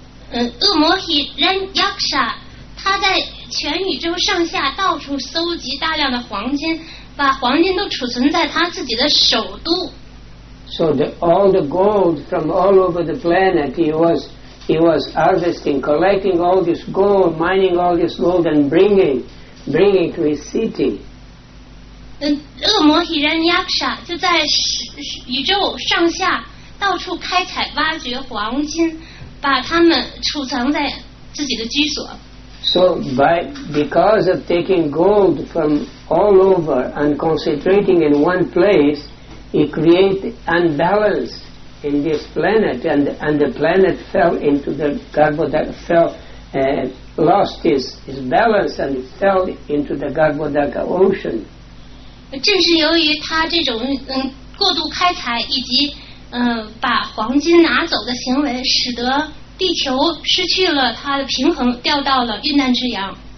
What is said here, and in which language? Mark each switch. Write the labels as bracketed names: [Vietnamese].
[Chinese] 恶魔 Hiranyaksha 他在全宇宙上下到处搜集大量的黄金，把黄金都储存在他自己的首都。 [English] So all the gold from all over the planet, he was harvesting, collecting all this gold, mining all this gold, and bringing to his city. [Chinese] 恶魔提人亚克沙就在宇宙上下到处开采挖掘黄金，把它们储藏在自己的居所。 [English] So because of taking gold from all over and concentrating in one place, He created unbalance in this planet, and the planet fell into the Garbhodaka, lost its balance and fell into the Garbhodaka ocean. [Chinese] 正是由于他这种过度开采以及把黄金拿走的行为，使得地球失去了它的平衡，掉到了遇难之洋。